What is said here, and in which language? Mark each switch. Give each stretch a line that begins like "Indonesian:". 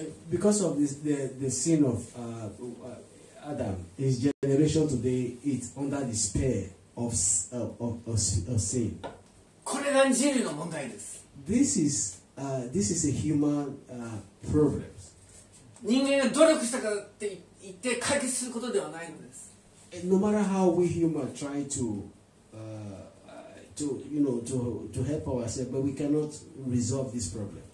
English: Because of this, the sin of Adam, his generation today is under the spell of sin.
Japanese: これが人類の問題です。
English: This is a human problem.
Japanese: 人間が努力したからって言って解決することではないのです。
English: No matter how we humans try to help ourselves, but we cannot resolve this problem.